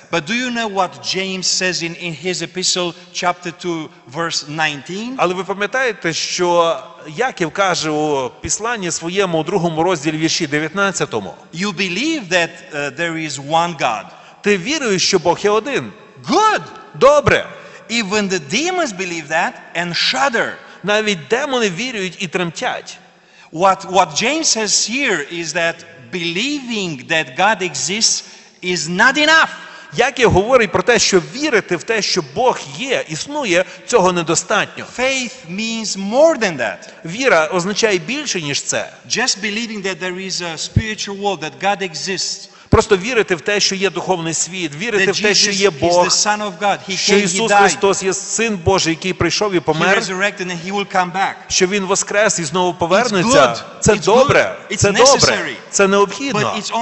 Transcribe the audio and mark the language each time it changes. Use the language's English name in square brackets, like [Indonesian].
[English] But do you know what James says in his epistle, chapter 2, verse 19? [Ukrainian] Але ви пам'ятаєте, що Яків каже у посланні своєму у другому розділі вірші 19-му? [English] You believe that there is one God. [Ukrainian] Ти віруєш, що Бог є один? [English] Good. [Ukrainian] Добре. [English] Even the demons believe that and shudder. [Ukrainian] Навіть демони вірять і тремтять. [English] What James says here is that believing that God exists is not enough. [Ukrainian] Яків говорить про те, що вірити в те, що Бог є, існує, цього недостатньо. [English] Faith means more than that. [Ukrainian] Віра означає більше, ніж це. [English] Just believing that there is a spiritual world, that God exists. [Ukrainian] Просто вірити в те, що є духовний світ, вірити в те, що є Бог, що Ісус Христос є Син Божий, який прийшов і помер, що Він воскрес і знову повернеться. Це добре, це добре, це необхідно.